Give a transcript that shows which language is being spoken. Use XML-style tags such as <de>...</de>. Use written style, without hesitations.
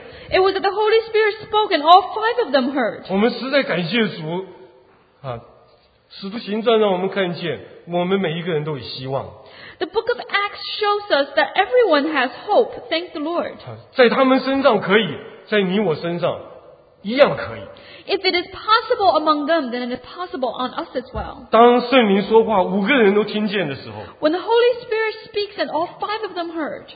<en>It was that the Holy Spirit spoke and all five of them heard.</en> <zh>我们实在感谢主, 啊, 使徒行传让我们看见, 我们每一个人都有希望。</zh> <en>The book of Acts shows us that everyone has hope, thank the Lord.</en> <zh>在他们身上可以, 在你我身上,</zh> <en>if it is possible among them, then it is possible on us as well.</en> <zh>当圣灵说话,</zh> <en>when the Holy Spirit speaks and all five of them heard,</en>